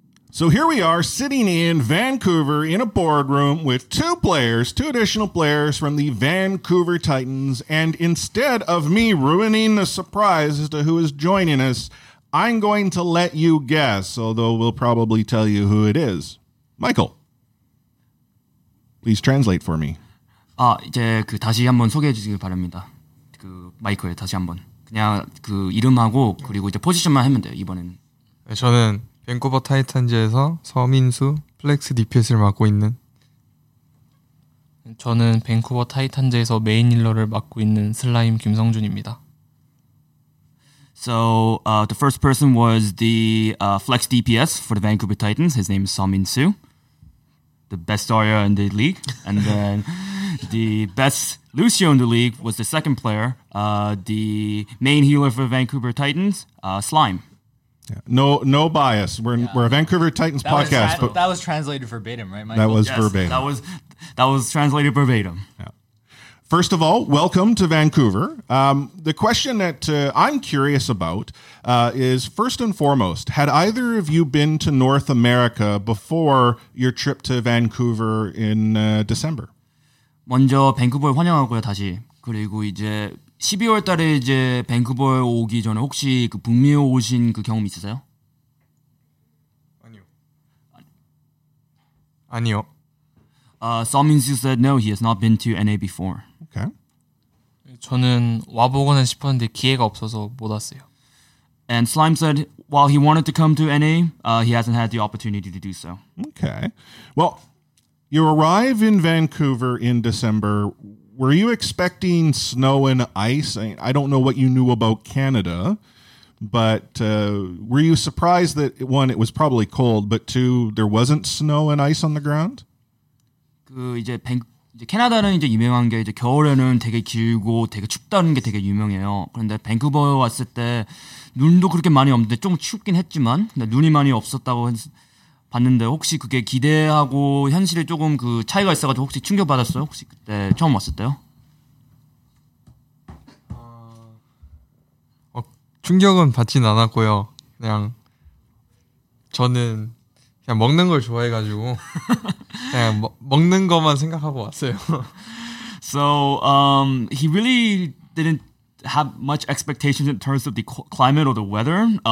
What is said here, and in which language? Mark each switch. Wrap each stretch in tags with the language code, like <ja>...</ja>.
<en>So here we are sitting in Vancouver in a boardroom with two additional players from the Vancouver Titans. And instead of me ruining the surprise as to who is joining us, I'm going to let you guess, although we'll probably tell you who it is. Michael, please translate for me.</en> <ko>아, 이제 그 다시 한번 소개해 주시길 바랍니다. 그 마이클 다시 한번. 그냥 그 이름하고 그리고 이제 포지션만 하면 돼요, 이번엔. 저는 밴쿠버 타이탄즈에서 서민수 플렉스 DPS를 맡고 있는 저는 밴쿠버 타이탄즈에서 메인 힐러를 맡고 있는 슬라임 김성준입니다.</ko> <en>So, the first person was the flex DPS for the Vancouver Titans. His name is Seomin-soo. The best Aurea in the league. And then the best Lucio in the league was the second player, the main healer for the Vancouver Titans, Slime. Yeah. No bias. We're a Vancouver Titans that podcast. That was translated verbatim, right, Michael? That was verbatim. That was translated verbatim. Yeah. First of all, welcome to Vancouver. The question that I'm curious about is, first and foremost, had either of you been to North America before your trip to Vancouver in December?</en> <ko>먼저 밴쿠버 환영하고요, 다시. 그리고 이제 12월 달에 이제 밴쿠버 오기 전에 혹시 그 북미에 오신 그 경험 있으세요? 아니요. 아니요.</ko> <en>Seomin-soo said no, he has not been to NA before. Okay.</en> <ko>저는 와보고는 싶었는데 기회가 없어서 못 왔어요.</ko> <en>And Slime said while he wanted to come to NA, he hasn't had the opportunity to do so. Okay. Well, you arrive in Vancouver in December. Were you expecting snow and ice? I don't know what you knew about Canada, but were you surprised that, one, it was probably cold, but two, there wasn't snow and ice on the ground?</en> <ko>그 이제 이제 캐나다는 이제 유명한 게 이제 겨울에는 되게 길고 되게 춥다는 게 되게 유명해요. 그런데 밴쿠버 왔을 때 눈도 그렇게 많이 없는데 좀 춥긴 했지만 근데 눈이 많이 없었다고 봤는데 혹시 그게 기대하고 현실에 조금 그 차이가 있어가지고 혹시 충격 받았어요? 혹시 그때 처음 왔을 때요? 충격은 받진 않았고요. 그냥 저는 그냥 먹는 걸 좋아해가지고 그냥 먹는 것만 생각하고 왔어요.</ko> <en>So he really didn't have much expectations in terms of the climate or the weather.</en>